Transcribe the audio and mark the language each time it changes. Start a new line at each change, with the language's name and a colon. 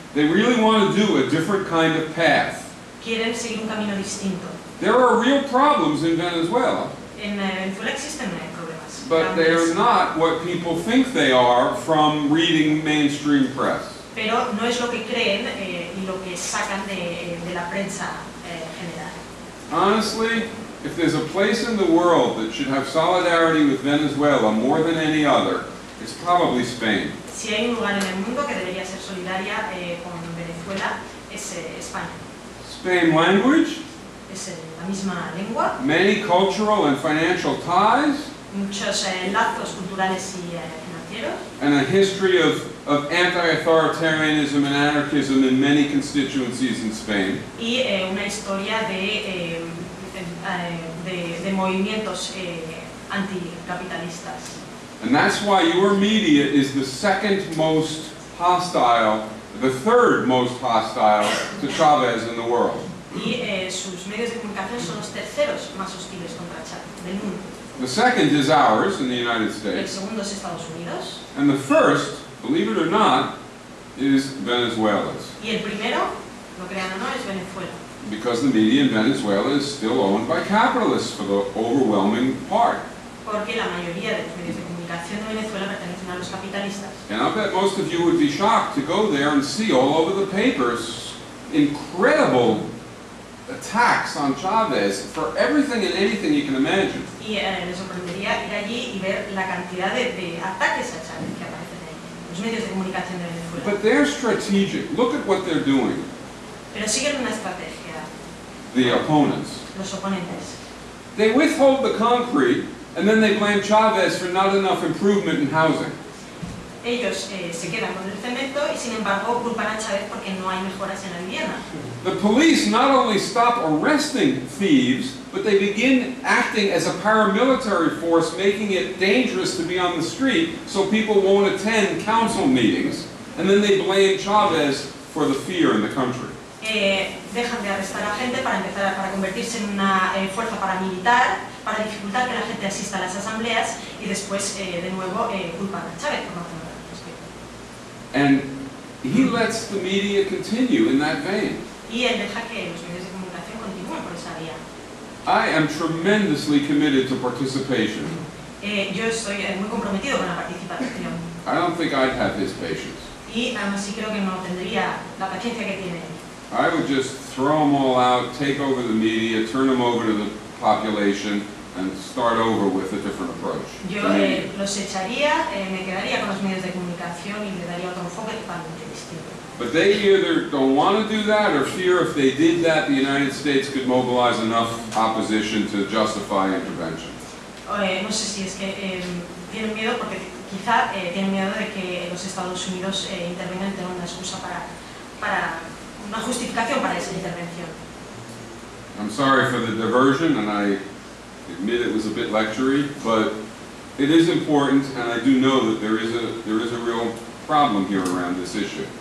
English: They really want to do a different kind of path.
Spanish: Quieren seguir un camino distinto.
English: There are real problems in Venezuela.
Spanish: En Venezuela existen problemas.
English: But they are not what people think they are from reading mainstream press.
Spanish: Pero no es lo que creen y lo que sacan de la prensa general.
English: Honestly, if there's a place in the world that should have solidarity with Venezuela more than any other, it's probably Spain.
Spanish: Si hay un lugar en el mundo que debería ser solidaria con Venezuela, es España.
English: Spain language?
Spanish: Es la misma lengua.
English: Many cultural and financial ties?
Spanish: Muchos lazos culturales y financieros.
English: And a history of anti-authoritarianism and anarchism in many constituencies in Spain.
Spanish: Y una historia de movimientos anticapitalistas.
English: And that's why your media is the second most hostile, the third most hostile to Chávez in the world.
Spanish: Y sus medios de comunicación son los terceros más hostiles contra Chávez del mundo.
English: The second is ours in the United States.
Spanish: El segundo es Estados Unidos.
English: And the first, believe it or not, is Venezuela's.
Spanish: Y el primero, lo crean o no, es Venezuela.
English: Because the media in Venezuela is still owned by capitalists for the overwhelming part.
Spanish: Porque la mayoría de los medios de comunicación en Venezuela pertenecen a los capitalistas.
English: And I bet most of you would be shocked to go there and see all over the papers incredible attacks on Chavez for everything and anything you can imagine.
Spanish: Y me sorprendería ir allí y ver la cantidad de ataques a Chávez que aparecen en los medios de comunicación de Venezuela.
English: But they're strategic. Look at what they're doing.
Spanish: Pero siguen una estrategia.
English: The opponents.
Spanish: Los oponentes.
English: They withhold the concrete and then they blame Chavez for not enough improvement in housing.
Spanish: Ellos se quedan con el cemento y sin embargo culpan a Chávez porque no hay mejoras en la vivienda.
English: The police not only stop arresting thieves, but they begin acting as a paramilitary force, making it dangerous to be on the street so people won't attend council meetings, and then they blame Chávez for the fear in the country.
Spanish: Dejan de arrestar a gente para convertirse en una fuerza paramilitar para dificultar que la gente asista a las asambleas y después de nuevo culpan a Chávez por matar a los pies.
English: And he lets the media continue in that vein.
Spanish: Y él deja que los medios de comunicación continúen por esa vía.
English: I am tremendously committed to participation.
Spanish: Yo estoy muy comprometido con la participación.
English: I don't think I'd have his patience.
Spanish: Y así creo que no tendría la paciencia que tiene.
English: I would just throw them all out, take over the media, turn them over to the population, and start over with a different approach.
Spanish: Yo los echaría, me quedaría con los medios de comunicación y le daría otro enfoque totalmente distinto.
English: But they either don't want to do that, or fear if they did that, the United States could mobilize enough opposition to justify intervention.
Spanish: No sé si es que tienen miedo, porque quizá tienen miedo de que los Estados Unidos intervengan y tengan una excusa para una justificación para esa intervención.
English: I'm sorry for the diversion, and I admit it was a bit lectury, but it is important, and I do know that there is a real problem here around this issue.